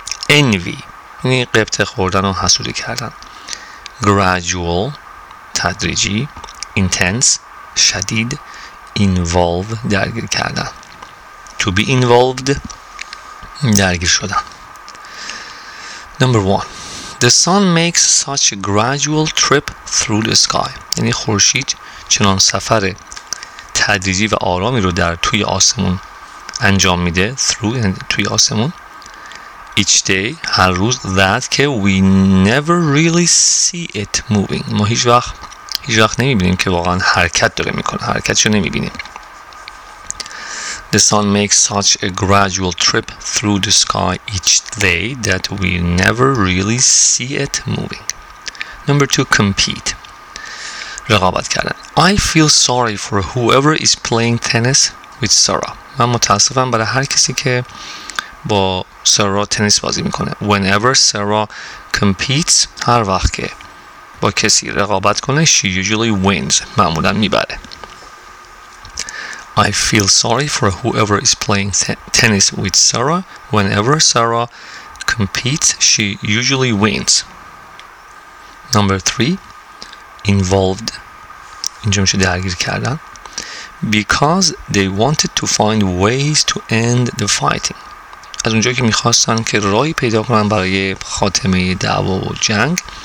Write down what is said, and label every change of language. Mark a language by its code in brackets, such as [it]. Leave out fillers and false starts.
[fa] Envy, یعنی قبط خوردن و حسودی کردن. Gradual, تدریجی. Intense, شدید. Involve, درگیر کردن. [en] To be involved, [fa] درگیر شدن. [en] Number one, the sun makes such a gradual trip through the sky. [fa] یعنی خورشید چنان سفر تدریجی و آرامی رو در توی آسمون انجام میده. Through, یعنی توی آسمون. [en] Each day, [fa] هر روز. [en] That که we never really see it moving. [fa] ما هیچ وقت نمیبینیم که واقعا حرکت داره میکنه. حرکتش رو نمیبینیم. [en] The sun makes such a gradual trip through the sky each day that we never really see it moving. Number two, compete. [fa] رقابت کردن. [en] I feel sorry for whoever is playing tennis with Sarah. [fa] من متاسفم برای هر کسی که با Sarah تنیس بازی میکنه. [en] Whenever Sarah competes, [fa] هر وقت که با کسی رقابت کنه, [en] she usually wins. [fa] معمولا میبره. [en] I feel sorry for whoever is playing tennis with Sarah. Whenever Sarah competes, she usually wins. Number three, involved. [fa] اینجا میشه درگیر کردن. [en] Because they wanted to find ways to end the fighting. [fa] از اونجا که میخواستن که راهی پیدا کنن برای خاتمه دعوا و جنگ.